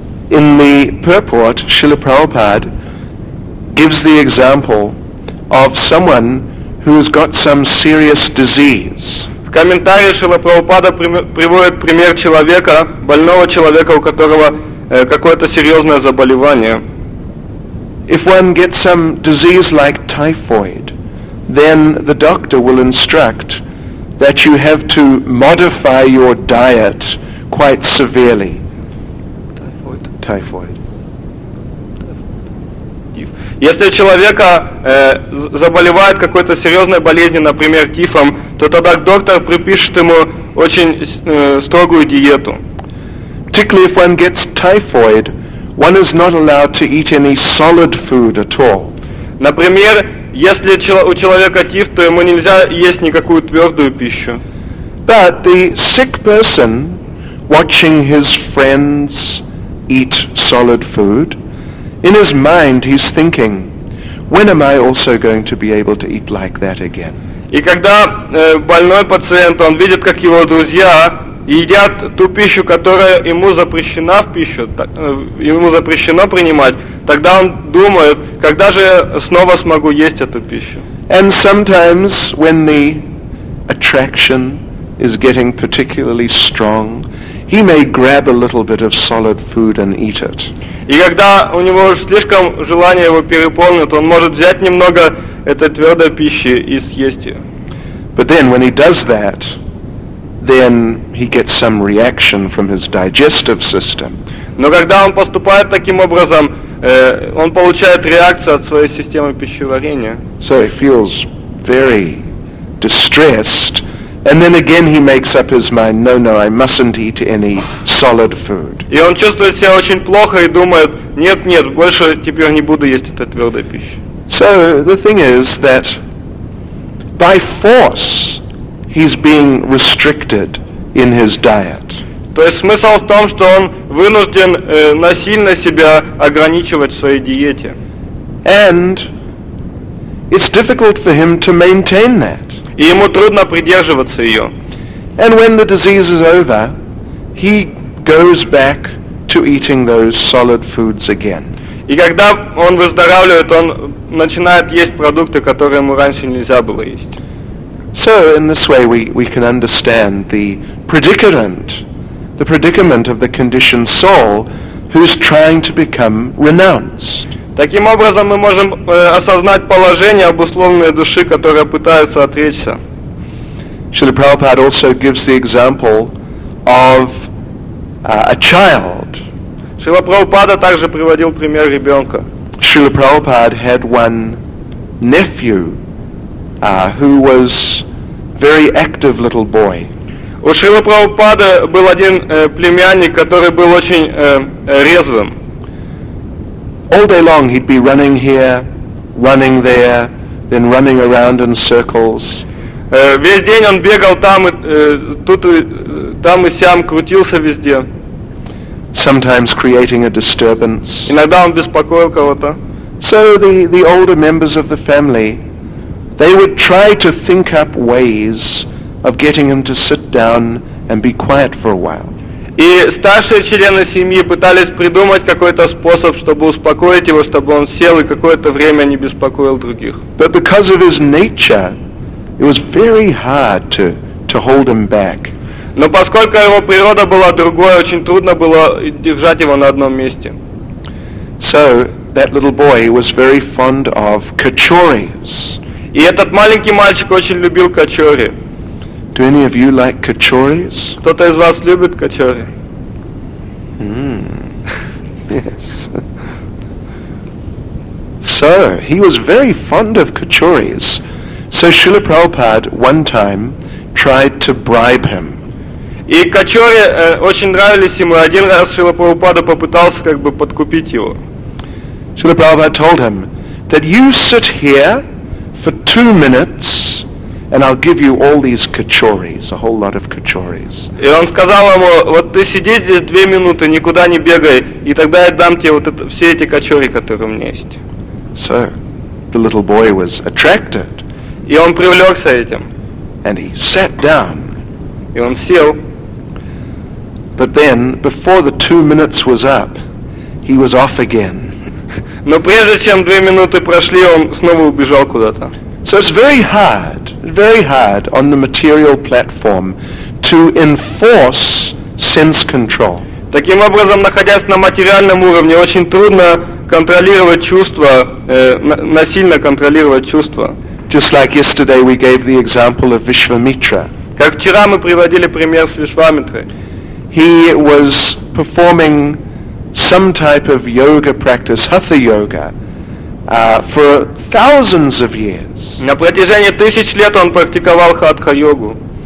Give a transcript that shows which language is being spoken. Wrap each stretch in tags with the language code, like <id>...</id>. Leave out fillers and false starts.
<en>In the purport, Srila Prabhupada gives the example of someone who has got some serious disease.</en> <ru>В комментарии Шрила Прабхупада приводит пример человека, больного человека, у которого какое-то серьезное заболевание.</ru> <en>If one gets some disease like typhoid, then the doctor will instruct that you have to modify your diet quite severely. Typhoid.</en> <ru>Если у человека заболевает какой-то серьезной болезнью, например, тифом, то тогда доктор припишет ему очень строгую диету.</ru> <en>Particularly if one gets typhoid, one is not allowed to eat any solid food at all.</en> <ru>Например, если у человека тиф, то ему нельзя есть никакую твердую пищу.</ru> <en>But the sick person, watching his friends eat solid food, in his mind he's thinking, when am I also going to be able to eat like that again?</en> <ru>И когда больной пациент, он видит, как его друзья едят ту пищу, которая ему запрещена в пищу, ему запрещено принимать, тогда он думает, когда же я снова смогу есть эту пищу.</ru> <en>And sometimes when the attraction is getting particularly strong, he may grab a little bit of solid food and eat it.</en> <ru>И когда у него слишком желание его переполнит, он может взять немного этой твердой пищи и съесть ее.</ru> <en>But then when he does that, then he gets some reaction from his digestive system.</en> <ru>Но когда он поступает таким образом, он получает реакцию от своей системы пищеварения.</ru> <en>So he feels very distressed, and then again he makes up his mind, no, I mustn't eat any solid food.</en> <ru>И он чувствует себя очень плохо и думает, нет, больше теперь не буду есть эту твердую пищу.</ru> <en>So the thing is that by force he's being restricted in his diet.</en> <ru>То есть смысл в том, что он вынужден насильно себя ограничивать в своей диете.</ru> <en>And it's difficult for him to maintain that.</en> <ru>И ему трудно придерживаться ее.</ru> <en>And when the disease is over, he goes back to eating those solid foods again.</en> <ru>И когда он выздоравливает, он начинает есть продукты, которые ему раньше нельзя было есть.</ru> <en>So in this way we can understand the predicament of the conditioned soul who's trying to become renounced.</en> <ru>Таким образом мы можем осознать положение обусловленной души, которая пытается отречься.</ru> <en>Шрила Прабхупада also gives the example of a child.</en> <ru>Шрила Прабхупада также приводил пример ребенка.</ru> <en>Шрила Прабхупада had one nephew who was very active little boy.</en> <ru>У Шрила Прабхупада был один племянник, который был очень резвым.</ru> <en>All day long he'd be running here, running there, then running around in circles.</en> <ru>Весь день он бегал там и тут, там и сям, крутился везде.</ru> <en>Sometimes creating a disturbance.</en> <ru>Иногда он беспокоил кого-то.</ru> <en>So the older members of the family, they would try to think up ways of getting him to sit down and be quiet for a while.</en> <ru>И старшие члены семьи пытались придумать какой-то способ, чтобы успокоить его, чтобы он сел и какое-то время не беспокоил других.</ru> <en>But because of his nature, it was very hard to hold him back.</en> <ru>Но поскольку его природа была другой, очень трудно было держать его на одном месте.</ru> <en>So that little boy was very fond of kachoris.</en> <ru>И этот маленький мальчик очень любил кочори.</ru> <en>Do any of you like kachoris?</en> <ru>Кто-то из вас любит кочори?</ru> <en>Yes. So he was very fond of kachoris. So Srila Prabhupada one time tried to bribe him.</en> <ru>И кочори очень нравились ему. Один раз Шрила Прабхупада попытался как бы подкупить его.</ru> <en>Srila Prabhupada told him that you sit here for 2 minutes. And I'll give you all these kachoris, a whole lot of kachoris.</en> <ru>И он сказал ему: вот ты сиди здесь 2 минуты, никуда не бегай, и тогда я дам тебе вот это, все эти кочори, которые у меня есть.</ru> <en>So, the little boy was attracted.</en> <ru>И он привлекся этим.</ru> <en>And he sat down.</en> <ru>И он сел.</ru> <en>But then, before the 2 minutes was up, he was off again.</en> <ru>Но прежде чем 2 минуты прошли, он снова убежал куда-то.</ru> <en>So it's very hard on the material platform to enforce sense control.</en> <ru>Таким образом, находясь на материальном уровне, очень трудно контролировать чувства, насильно контролировать чувства.</ru> <en>Just like yesterday we gave the example of Vishvamitra.</en> <ru>Как вчера мы приводили пример с Вишвамитрой.</ru> <en>He was performing some type of yoga practice, hatha yoga. For thousands of years.</en> <ru>На протяжении тысяч лет он практиковал хатха-йогу.</ru>